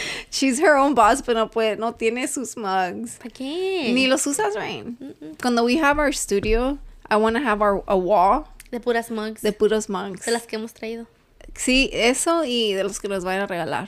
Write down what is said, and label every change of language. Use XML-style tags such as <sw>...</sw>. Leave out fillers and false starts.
<en>She's her own boss,</en> <es>pero no puede, no tiene sus mugs. ¿Para qué? Ni los usas, Rain. Cuando</es> <en>we have our studio, I want to have our a wall.</en> <es>De puras mugs. De puros mugs. De las que hemos traído. Sí, eso y de los que nos van a regalar.</es>